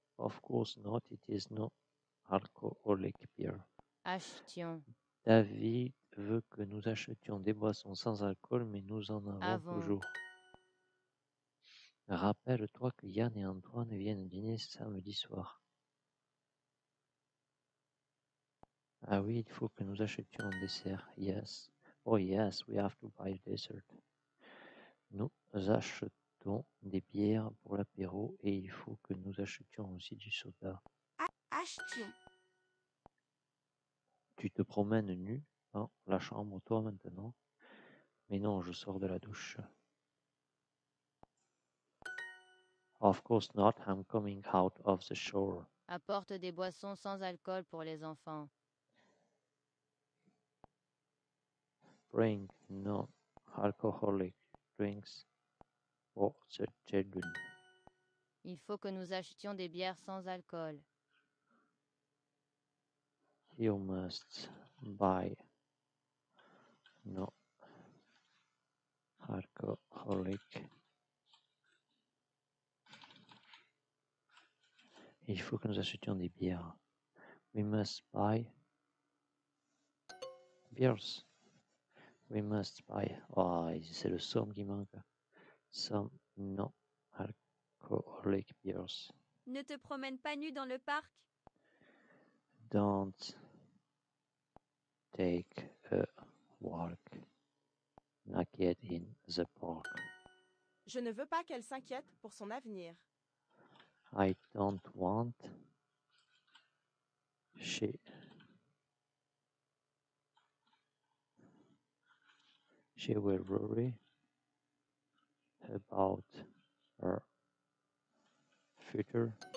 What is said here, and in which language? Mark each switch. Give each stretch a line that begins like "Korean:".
English: Of course not, it is no alcoholic beer.
French: Achetons. David veut que nous achetions des boissons sans alcool, mais nous en avons toujours. Rappelle-toi que Yann et Antoine viennent dîner samedi soir. Ah oui, il faut que nous achetions un dessert.
English: Yes. Oh yes, we have to buy a dessert.
French: Nous achetons des bières pour l'apéro et il faut que nous achetions aussi du soda. Achetons. Tu te promènes nu dans la chambre, toi, maintenant. Mais non, je sors de la douche.
English: Of course not, I'm coming out of the shower.
French: Apporte des boissons sans alcool pour les enfants.
English: Bring non-alcoholic drinks for the children.
French: Il faut que nous achetions des bières sans alcool.
English: You must buy non-alcoholic.
French: Il faut que nous achetions des bières.
English: We must buy beers. We must buy.
French: Oh, c'est le somme qui manque.
English: Some non-alcoholic beers.
French: Ne te promène pas nu dans le parc.
English: Don't take a walk naked in the park.
French: Je ne veux pas qu'elle s'inquiète pour son avenir.
English: I don't want she will worry about her future.